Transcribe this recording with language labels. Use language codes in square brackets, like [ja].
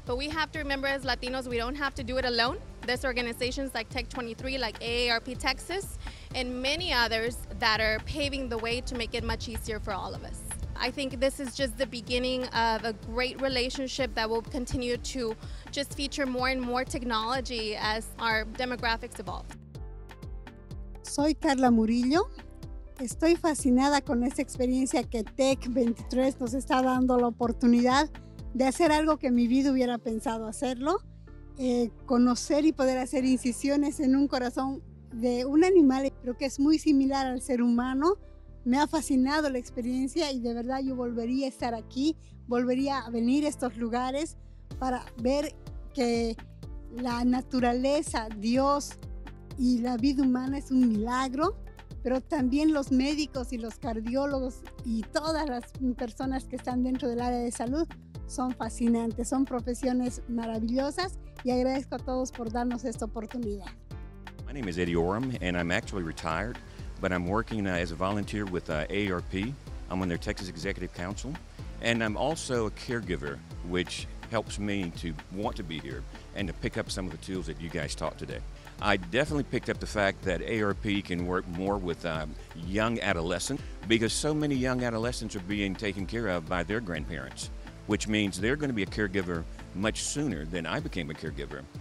[en] But we have to remember as Latinos, we don't have to do it alone. There's organizations like Tech23, like AARP Texas, and many others that are paving the way to make it much easier for all of us. I think this is just the beginning of a great relationship that will continue to just feature more and more technology as our demographics evolve. [es] Soy Carla Murillo. Estoy fascinada con esta experiencia que Tech23 nos está dando la oportunidad de hacer algo que en mi vida hubiera pensado hacerlo. Conocer y poder hacer incisiones en un corazón de un animal, pero que es muy similar al ser humano. Me ha fascinado la experiencia y de verdad yo volvería a estar aquí, volvería a venir a estos lugares para ver que la naturaleza, Dios y la vida humana es un milagro, pero también los médicos y los cardiólogos y todas las personas que están dentro del área de salud son fascinantes, son profesiones maravillosas, y agradezco a todos por darnos esta oportunidad. [en] My name is Eddie Oram, and I'm actually retired, but I'm working as a volunteer with AARP. I'm on their Texas Executive Council, and I'm also a caregiver, which helps me to want to be here and to pick up some of the tools that you guys taught today. I definitely picked up the fact that AARP can work more with young adolescents, because so many young adolescents are being taken care of by their grandparents, which means they're going to be a caregiver much sooner than I became a caregiver.